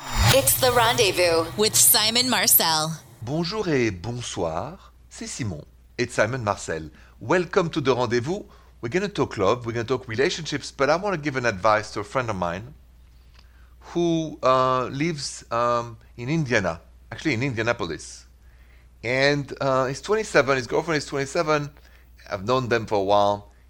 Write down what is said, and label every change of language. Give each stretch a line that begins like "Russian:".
English: It's The Rendezvous with Simon Marcel.
French: Bonjour et bonsoir, c'est Simon.
English: It's Simon Marcel. Welcome to The Rendezvous. We're going to talk love, we're going to talk relationships, but I want to give an advice to a friend of mine who lives in Indiana, actually in Indianapolis. And he's 27, his girlfriend is 27. I've known them for a while.